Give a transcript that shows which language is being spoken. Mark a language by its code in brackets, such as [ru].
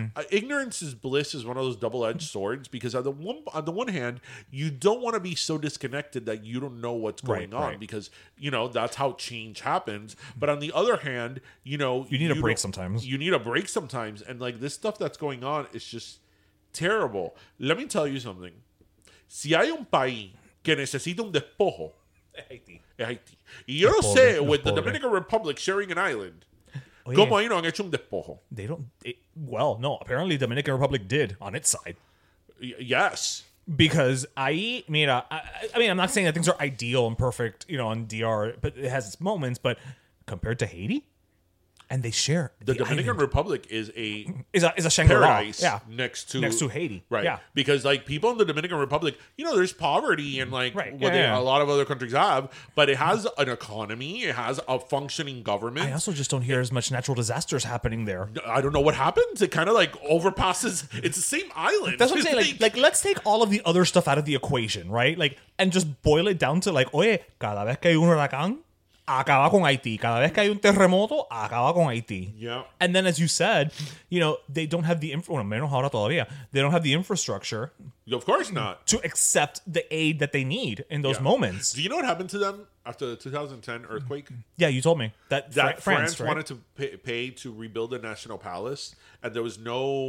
[en] Ignorance is bliss is one of those double-edged swords, because on the one hand you don't want to be so disconnected that you don't know what's going on. Because you know that's how change happens, but on the other hand, you know, you need a break sometimes, and like this stuff that's going on is just terrible. Let me tell you something. [es] Si hay un país que necesita un despojo, es Haití. Y yo no sé, [en] with the Dominican Republic sharing an island. [es] Como ahí no han hecho un despojo. [en] They don't. Apparently, Dominican Republic did on its side. Yes. Because I'm not saying that things are ideal and perfect, you know, on DR, but it has its moments. But compared to Haiti, and they share. The Dominican island. Republic is a. Is a Shangri-La. Paradise next to Haiti. Right. Yeah. Because, like, people in the Dominican Republic, you know, there's poverty and, like, a lot of other countries have, but it has an economy. It has a functioning government. I also just don't hear as much natural disasters happening there. I don't know what happens. It kind of, like, overpasses. It's the same island. That's what I'm saying. Like, let's take all of the other stuff out of the equation, right? Like, and just boil it down to, like, [es] oye, cada vez que hay un huracán. Acaba con Haití. Cada vez que hay un terremoto, acaba con Haití. [en] Yeah. And then, as you said, you know, they don't have the they don't have the infrastructure. Of course not. To accept the aid that they need in those moments. Do you know what happened to them after the 2010 earthquake? Yeah, you told me. That France right? wanted to pay to rebuild the National Palace, and there was no...